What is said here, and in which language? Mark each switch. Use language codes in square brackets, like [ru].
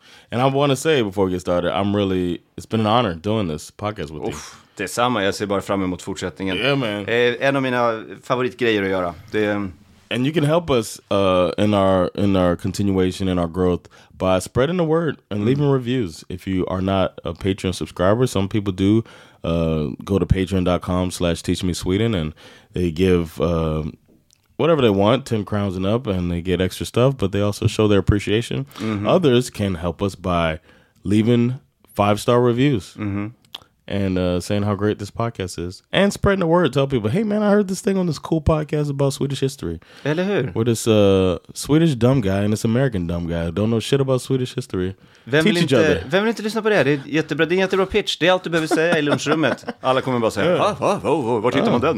[en] And I want to say before we get started, I'm really, it's been an honor doing this podcast with you. [sv] Det är samma, jag ser bara fram emot fortsättningen. [en] Yeah, man. [sv] En av mina favoritgrejer att göra. Det [en] And you can help us in our continuation and our growth by spreading the word and leaving reviews. If you are not a Patreon subscriber, some people do go to patreon.com/teachmesweden and they give whatever they want, 10 crowns and up, and they get extra stuff, but they also show their appreciation. Mm-hmm. Others can help us by leaving 5-star reviews. Mm-hmm. And saying how great this podcast is. And spreading the word. Tell people, hey man, I heard this thing on this cool podcast about Swedish history. [sv] Eller hur? [en] Where this Swedish dumb guy and this American dumb guy don't know shit about Swedish history. [sv] Vem vill inte lyssna på det? Det är jättebra. Det är en jättebra pitch. Det är allt du behöver säga i lunchrummet. Alla kommer bara säga, vart hittar man den?